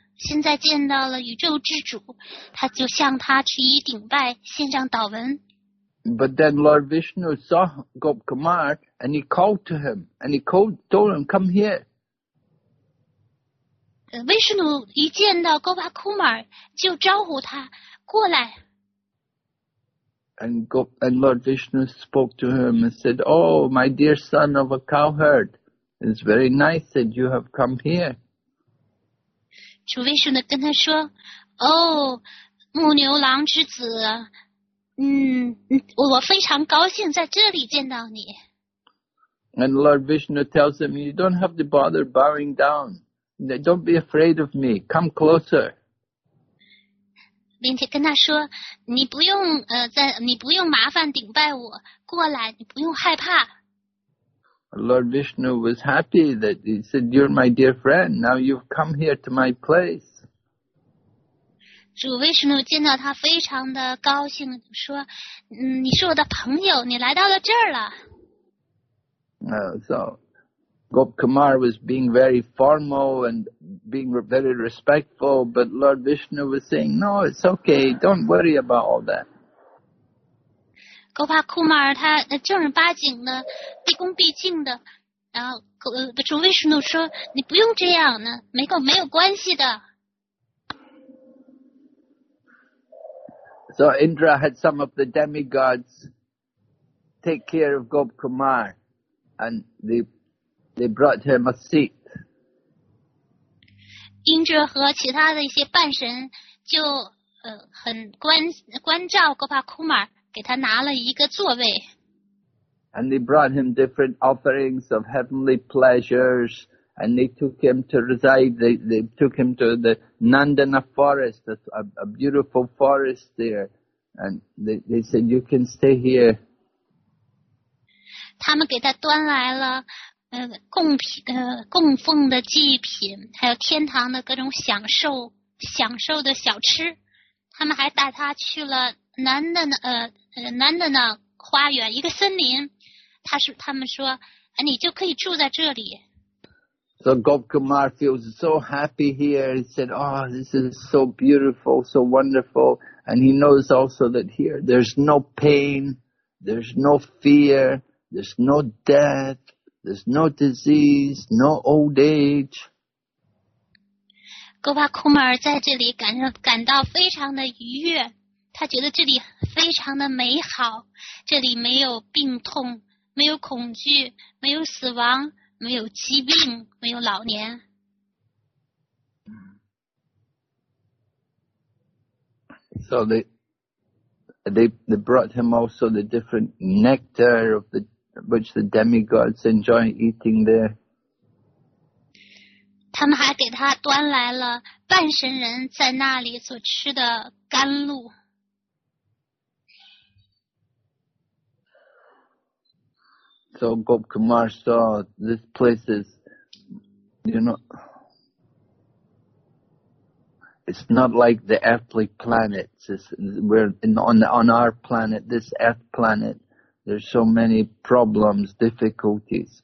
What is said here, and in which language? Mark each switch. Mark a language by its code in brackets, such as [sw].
[zh] 现在见到了宇宙之主，他就向他去以顶拜，献上祷文。 [en] But then Lord Vishnu saw Gop Kumar, and he called to him, and he told him, "Come here." [zh] Vishnu 一见到 Gop Kumar 就招呼他过来。 [en] And Lord Vishnu spoke to him and said, "Oh, my dear son of a cowherd, it's very nice that you have come here." [zh] 主维什努跟他说，哦，牧牛郎之子，我非常高兴在这里见到你。 [en] And Lord Vishnu tells him, you don't have to bother bowing down. Don't be afraid of me. Come closer. [zh] 并且跟他说，你不用麻烦顶拜我，过来，你不用害怕。 [en] Lord Vishnu was happy that he said, you're my dear friend, now you've come here to my place. [zh] 主维什努见到他非常的高兴，说，你是我的朋友，你来到了这儿了。 [en] So, Gop Kumar was being very formal and being very respectful, but Lord Vishnu was saying, no, it's okay, don't worry about all that. [zh] 戈巴库马尔他正儿八经的毕恭毕敬的，然后主维什努说，你不用这样呢，没有关系的。 [en] So Indra had some of the demigods take care of Gop Kumar, and they brought him a seat. [zh] Indra 和其他的一些半神就很关照戈巴库马尔，给他拿了一个座位。 [en] And they brought him different offerings of heavenly pleasures, and they took him to reside, they took him to the Nandana forest, a beautiful forest there, and they said, you can stay here. [zh] 他们给他端来了供奉的祭品，还有天堂的各种享受的小吃，他们还带他去了南的 Nanda 呢花园一个森林，他们说你就可以住在这里。 [en] So Gop Kumar feels so happy here. He said, oh, this is so beautiful, so wonderful. And he knows also that here there's no pain, there's no fear, there's no death, there's no disease, no old age. [zh] Gop Kumar 在这里感到非常的愉悦，他觉得这里非常的美好，这里没有病痛，没有恐惧，没有死亡，没有疾病，没有老年。 [en] So they brought him also the different nectar of the which the demigods enjoy eating there. [zh] 他们还给他端来了半神人在那里所吃的甘露。 [en] So Gop Kumar saw this place is, you know, it's not like the earthly planets. We're on our planet, this earth planet, there's so many problems, difficulties.